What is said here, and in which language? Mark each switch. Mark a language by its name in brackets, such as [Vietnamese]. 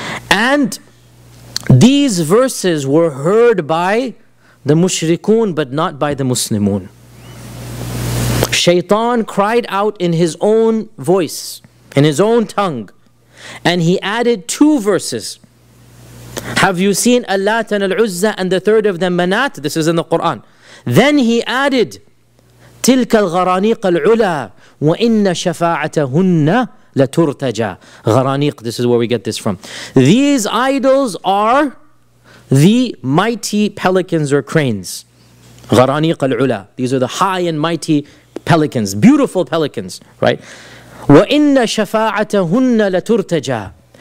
[English] And these verses were heard by the mushrikun, but not by the muslimun. Shaytan cried out in his own voice, in his own tongue, and he added two verses. Have you seen Al-Lat and Al-Uzza and the third of them Manat? This is in the Quran. Then he added, [Arabic] تِلْكَ الْغَرَانِيقَ الْعُلَى وَإِنَّ شَفَاعَتَهُنَّ لَتُرْتَجَى غَرَانِيقَ. [English] This is where we get this from. These idols are the mighty pelicans or cranes. [Arabic] غَرَانِيقَ الْعُلَى. [English] These are the high and mighty pelicans, beautiful pelicans, right? [Arabic] وَإِنَّ شَفَاعَتَهُنَّ لَتُرْتَجَى.